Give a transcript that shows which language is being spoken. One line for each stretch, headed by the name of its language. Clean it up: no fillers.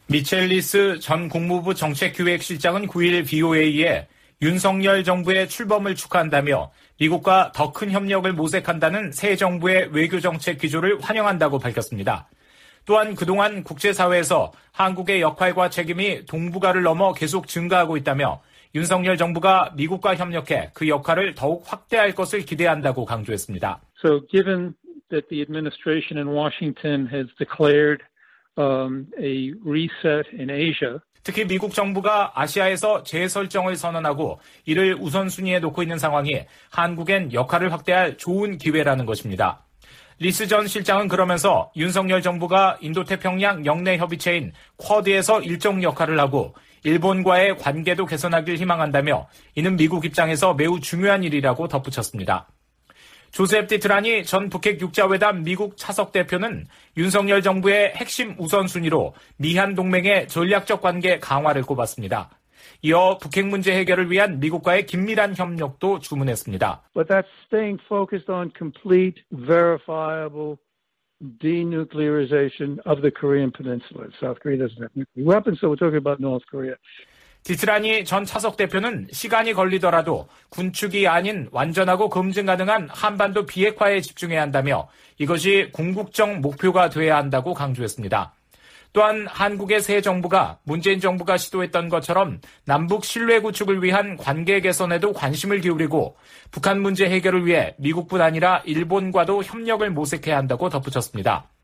Korean: 미첼 리스 전 국무부 정책기획실장은 9일 BOA에 윤석열 정부의 출범을 축하한다며 미국과 더 큰 협력을 모색한다는 새 정부의 외교정책 기조를 환영한다고 밝혔습니다. 또한 그동안 국제사회에서 한국의 역할과 책임이 동북아를 넘어 계속 증가하고 있다며 윤석열 정부가 미국과 협력해 그 역할을 더욱 확대할 것을 기대한다고 강조했습니다.
English: So given that the administration in Washington has declared a reset in Asia,
Korean: 특히 미국 정부가 아시아에서 재설정을 선언하고 이를 우선순위에 놓고 있는 상황이 한국엔 역할을 확대할 좋은 기회라는 것입니다. 리스 전 실장은 그러면서 윤석열 정부가 인도태평양 영내 협의체인 쿼드에서 일정 역할을 하고 일본과의 관계도 개선하길 희망한다며 이는 미국 입장에서 매우 중요한 일이라고 덧붙였습니다. 조셉 디트라니 전 북핵 육자회담 미국 차석 대표는 윤석열 정부의 핵심 우선순위로 미한 동맹의 전략적 관계 강화를 꼽았습니다. 이어 북핵 문제 해결을 위한 미국과의 긴밀한 협력도 주문했습니다.
English: But that's staying focused on complete verifiable denuclearization of the Korean Peninsula. South Korea doesn't have nuclear weapons, so we're talking about North Korea.
Korean: 디트라니 전 차석 대표는 시간이 걸리더라도 군축이 아닌 완전하고 검증 가능한 한반도 비핵화에 집중해야 한다며 이것이 궁극적 목표가 돼야 한다고 강조했습니다. 또한 한국의 새 정부가 문재인 정부가 시도했던 것처럼 남북 신뢰 구축을 위한 관계 개선에도 관심을 기울이고 북한 문제 해결을 위해 미국뿐 아니라 일본과도 협력을 모색해야 한다고 덧붙였습니다.